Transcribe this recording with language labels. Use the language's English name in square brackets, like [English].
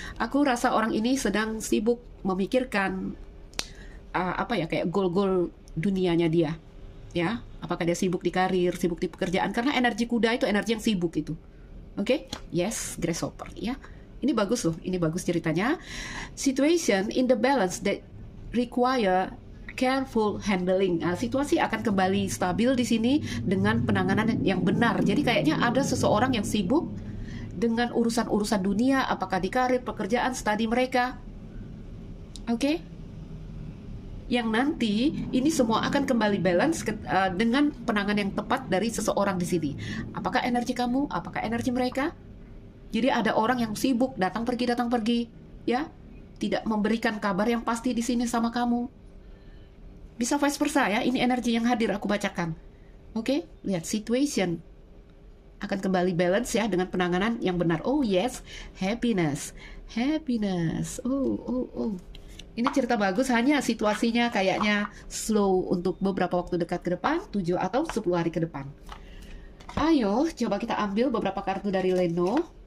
[Indonesian] Aku rasa orang ini sedang sibuk memikirkan apa ya, kayak goal-goal dunianya dia. Ya, apakah dia sibuk di karir, sibuk di pekerjaan, karena energi kuda itu energi yang sibuk itu. Oke, yes, grasshopper ya. Ini bagus loh, ini bagus ceritanya. [English] Situation in the balance that require careful handling. [Indonesian] Nah, situasi akan kembali stabil di sini dengan penanganan yang benar. Jadi kayaknya ada seseorang yang sibuk dengan urusan-urusan dunia, apakah di karir, pekerjaan, studi mereka. Oke? Yang nanti ini semua akan kembali balance dengan penanganan yang tepat dari seseorang di sini. Apakah energi kamu? Apakah energi mereka? Jadi ada orang yang sibuk datang pergi, ya. Tidak memberikan kabar yang pasti di sini sama kamu. Bisa [English] vice versa [Indonesian] ya, ini energi yang hadir aku bacakan. Oke, lihat situation akan kembali balance ya dengan penanganan yang benar. [English] Oh yes, happiness, happiness. Oh. [Indonesian] Ini cerita bagus, hanya situasinya kayaknya slow untuk beberapa waktu dekat ke depan, 7 atau 10 hari ke depan. Ayo, coba kita ambil beberapa kartu dari Leno.